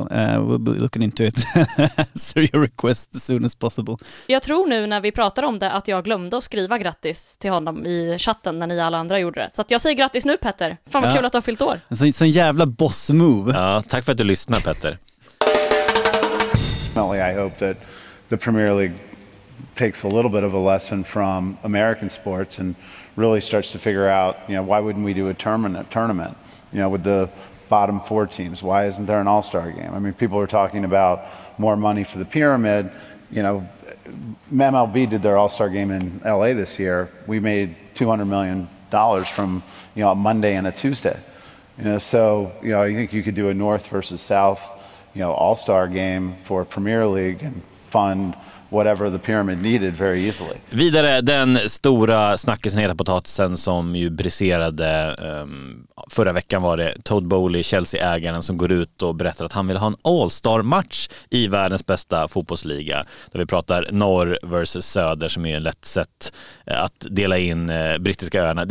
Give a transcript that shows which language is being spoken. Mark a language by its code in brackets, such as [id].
[en] We'll be looking into it. Sir, your request as soon as possible." [sv] Jag tror nu när vi pratar om det att jag glömde att skriva grattis till honom i chatten när ni alla andra gjorde det. Så att jag säger grattis nu, Petter. Fan vad kul att du har fyllt år. Så en jävla boss move. Ja, tack för att du lyssnar, Petter. [en] Well, I hope that the Premier League takes a little bit of a lesson from American sports and really starts to figure out, you know, why wouldn't we do a tournament? You know, with the bottom four teams. Why isn't there an all-star game? I mean, people are talking about more money for the pyramid. You know, MLB did their all-star game in LA this year. We made $200 million from, you know, a Monday and a Tuesday. You know, so, you know, I think you could do a North versus South, you know, all-star game for Premier League and fund whatever the pyramid needed very easily. [sv] Vidare, den stora snackisen, heta potatisen som ju briserade förra veckan, var det Todd Bowley, Chelsea-ägaren, som går ut och berättar att han vill ha en all-star-match i världens bästa fotbollsliga, där vi pratar norr versus söder, som är ett lätt sätt att dela in brittiska öarna.